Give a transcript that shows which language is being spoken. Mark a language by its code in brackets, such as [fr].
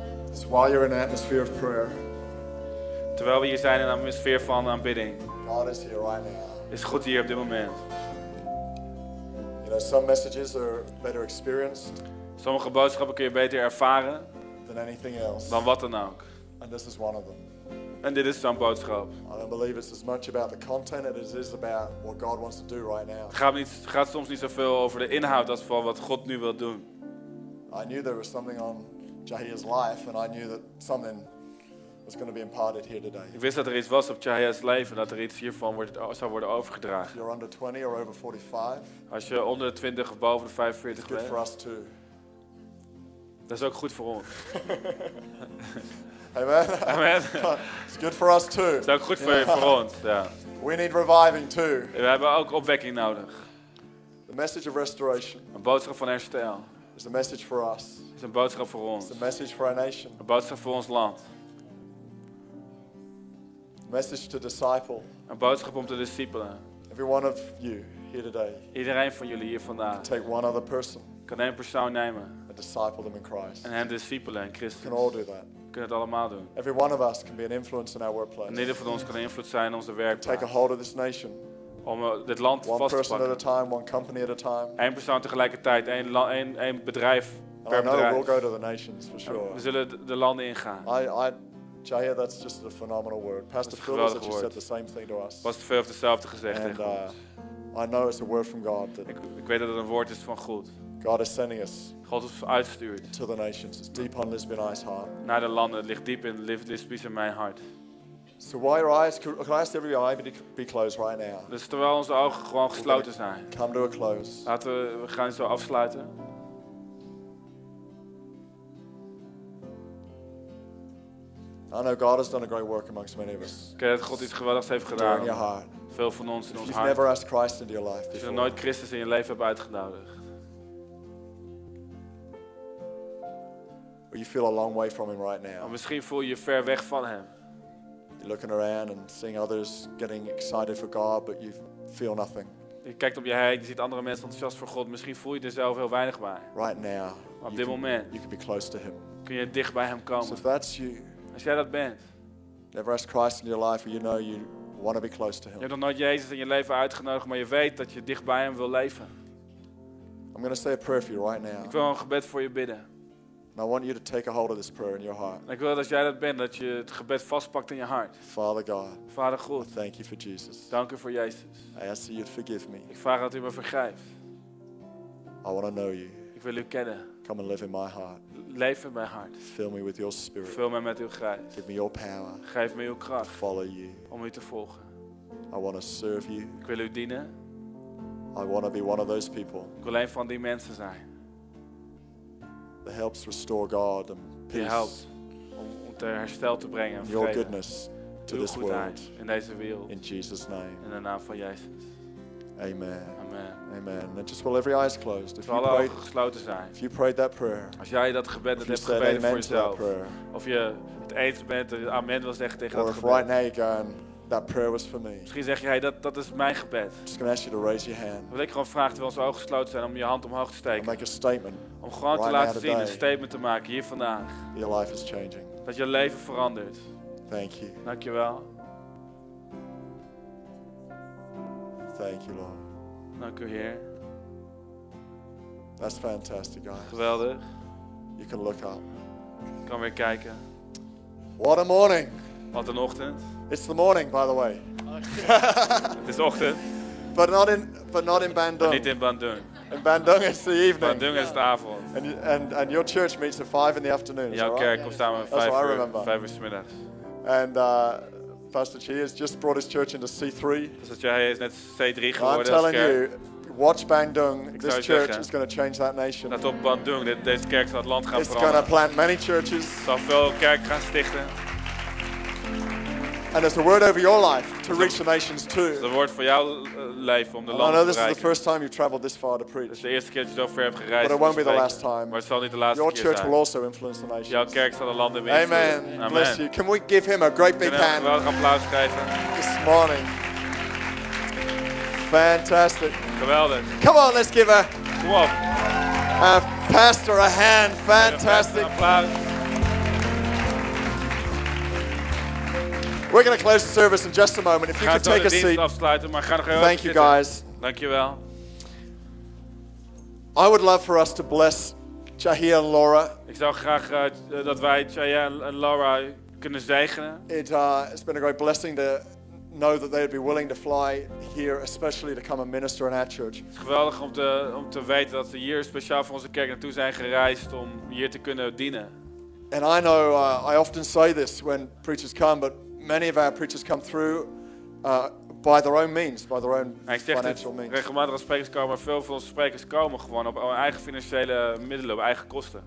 [en] It's while you're in an atmosphere of prayer. [nl] Terwijl we hier zijn in een atmosfeer van aanbidding. [en] God is here right now. [nl] Is God hier op dit moment? [en] You know, some messages are better experienced. [nl] Sommige boodschappen kun je beter ervaren. [en] Than anything else. [nl] Dan wat dan ook. [en] And this is one of them. [nl] En dit is zo'n boodschap. [en] I don't believe it's as much about the content as it is about what God wants to do right now. [nl] Gaat soms niet zoveel over de inhoud als voor wat God nu wil doen. [en] I knew there was something on Jahia's life, and I knew that something was going to be imparted here today. [nl] Ik wist dat er iets was op Jahia's leven, dat er iets hiervan zou worden overgedragen. [en] If you're under 20 or over 45. [nl] Als je onder de 20 of boven de 45 bent. [en] It's good for us too. [nl] Dat is ook goed voor ons. [en] Amen. [nl] Amen. [en] It's good for us too. [nl] Dat is ook goed voor ons. Ja. [en] We need reviving too. [nl] We hebben ook opwekking nodig. [en] The message of restoration. [nl] Een boodschap van herstel. [en] It's a message for us. It's a [nl] boodschap voor ons. [en] It's a message for our nation. [nl] Een boodschap voor ons land. [en] A message to disciple. [nl] Een boodschap om te discipelen. [en] Every one of you here today. [nl] Iedereen van jullie hier vandaag. [en] Can take one other person. [nl] Kan één persoon nemen. [en] And disciple them in Christ. [nl] En hen discipelen in Christus. [en] Can all do that. [nl] Kunnen het allemaal doen. [en] Every one of us can be an influence in our workplace. [nl] En ieder van ons kan een invloed zijn in onze werkplaats. [en] Take a hold of this nation. [nl] Om dit land [en] one [nl] vast te pakken. [en] One person at a time, one company at a time. [nl] Eén persoon tegelijkertijd, één bedrijf per [en] I know [nl] bedrijf. [en] We'll go to the nations for sure. [nl] We zullen de landen ingaan. [en] Jahia, that's just a phenomenal word. Pastor Phil has actually said the same thing to us. [nl] Pastor Phil heeft hetzelfde gezegd tegen ons. [en] I know it's a word from God. [nl] Ik weet dat het een woord is van God. [en] God is sending us. [nl] God is uitgestuurd. [en] To the nations, it's deep on Lisbon Eye's heart. [nl] Naar de landen, het ligt diep in Lisbon in mijn hart. [en] So while your eyes, can I ask every eye be closed right now? [nl] Dus terwijl onze ogen gewoon gesloten zijn. [en] Come to a close. [nl] Laten we gaan zo afsluiten. [en] I know God has done a great work amongst many of us. [nl] Okay, dat God iets geweldigs heeft gedaan. [en] In your heart. [nl] Veel van ons in ons [en] you've [nl] hart. [en] Never asked Christ into your life before. [nl] Je nooit Christus in je leven hebt uitgenodigd. [en] Or you feel a long way from him right now. [nl] Of misschien voel je je ver weg van hem. [en] You're looking around and seeing others getting excited for God, but you feel nothing. [nl] Je kijkt om je heen, je ziet andere mensen enthousiast voor God. Misschien voel je er zelf heel weinig bij. [en] Right now. [nl] Maar op dit moment. [en] You can be close to him. [nl] Kun je dicht bij hem komen. [en] So if that's you. [nl] Als jij dat bent. [en] Never asked Christ in your life, or you know you want to be close to him. [nl] Je hebt nog nooit Jezus in je leven uitgenodigd, maar je weet dat je dicht bij hem wil leven. [en] I'm going to say a prayer for you right now. [nl] Ik wil een gebed voor je bidden. [en] And I want you to take a hold of this prayer in your heart. [nl] Ik wil dat jij dat bent, dat je het gebed vastpakt in je hart. [en] Father God. [nl] Vader God. [en] I thank you for Jesus. [nl] Dank u voor Jezus. [en] I ask that you'd forgive me. [nl] Ik vraag dat u me vergeeft. [en] I want to know you. [nl] Ik wil u kennen. [en] Come and live in my heart. [nl] Leef in mijn hart. [en] Fill me with your spirit. [nl] Vul mij met uw geest. [en] Give me your power. [nl] Geef me uw kracht. [en] To follow you. [nl] Om u te volgen. [en] I want to serve you. [nl] Ik wil u dienen. [en] I want to be one of those people. [nl] Ik wil een van die mensen zijn. [en] That helps restore God and peace. [nl] Die helpt om te herstel te brengen en vrede. [en] Your goodness to this world. [nl] In deze wereld. [en] In Jesus' name. [nl] In de naam van Jezus. [en] Amen. [nl] Amen. [en] Amen. And just while every eye is closed, if you prayed, [nl] gesloten zijn, [en] if you prayed that prayer, [nl] als jij dat gebed dat hebt gebeden voor jezelf, prayer, of je het eens bent en amen wil zeggen tegen dat gebed, [en] right now you're going, that prayer was for me. [nl] Misschien zeg je, hey, dat is mijn gebed. [en] Just gonna ask you to raise your hand. [nl] Wil ik gewoon vragen terwijl onze ogen gesloten zijn om je hand omhoog te steken. [en] Make a statement. [nl] Om gewoon te laten zien, een statement te maken hier vandaag. [en] Your life is changing. [nl] Dat je leven verandert. [en] Thank you. [nl] Dank je wel. [en] Thank you, Lord. [nl] Dank u, Heer. [en] That's fantastic, guys. [nl] Geweldig. [en] You can look up. [nl] Ik kan weer kijken. [en] What a morning. [nl] Wat een ochtend. [en] It's the morning, by the way. [nl] Het is ochtend. [en] But not in Bandung. [nl] Maar niet in Bandung. [en] In Bandung is the evening. [nl] Bandung is de avond. [en] And your church meets at 5 in the afternoon. [nl] Jouw kerk [en] right? [nl] Komt samen vijf uur 's middags. [en] And Pastor Chi has just brought his church into C3. [nl] Pastor Chi is net C3 geworden. [en] I'm telling you, watch Bandung. This church is going to change that nation. [nl] Dat op Bandung, deze kerk zal het land gaan veranderen. [en] It's going to plant many churches. [nl] Zal veel kerk gaan stichten. [en] And there's a word over your life to reach the nations too. [nl] Het woord voor jouw leven om de landen te bereiken. [en] I know this is the first time you've traveled this far to preach. [nl] Het is de eerste keer dat je zo ver hebt gereisd. [en] But it won't be the last time. [nl] Maar het zal niet de laatste keer zijn. [en] Your church will also influence the nations. [nl] Jouw kerk zal de landen beïnvloeden. Amen. [en] Bless you. Can we give him a great big hand? [nl] Kunnen we een applaus geven? [en] This morning. Fantastic. [nl] Geweldig. [en] Come on, let's give a. Come on. A pastor a hand. Fantastic. [nl] Applaus. [en] We're going to close the service in just a moment. If you could take a seat. Thank you, guys. [nl] Dank je wel. [en] I would love for us to bless Jahia and Laura. [nl] Ik zou graag dat wij Jahia en Laura kunnen zegenen. [en] It's been a great blessing to know that they'd be willing to fly here, especially to come and minister in our church. [nl] Het is geweldig om te weten dat ze hier speciaal voor onze kerk naartoe zijn gereisd om hier te kunnen dienen. [en] And I know I often say this when preachers come, but many of our preachers come through by their own means, by their own financial means. [nl] Regelmatig als sprekers komen, maar veel van onze sprekers komen gewoon op eigen financiële middelen, op eigen kosten.